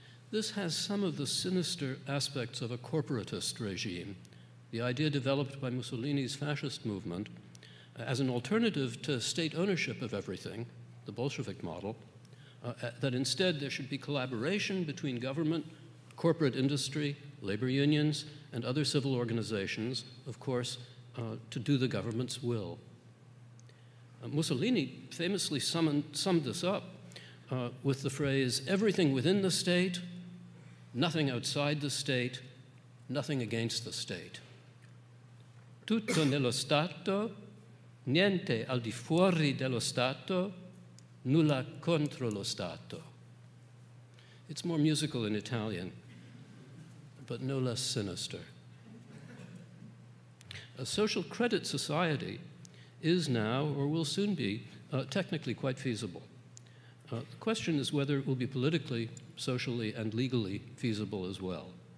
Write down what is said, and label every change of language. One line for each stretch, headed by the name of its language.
English: This has some of the sinister aspects of a corporatist regime, the idea developed by Mussolini's fascist movement as an alternative to state ownership of everything, the Bolshevik model, that instead there should be collaboration between government, corporate industry, labor unions, and other civil organizations, of course, to do the government's will. Mussolini famously summed this up with the phrase, everything within the state, nothing outside the state, nothing against the state.
Italian: Tutto nello Stato, niente al di fuori dello Stato, nulla contro lo Stato.
English: It's more musical in Italian, but no less sinister. A social credit society is now, or will soon be, technically quite feasible. The question is whether it will be politically, socially, and legally feasible as well.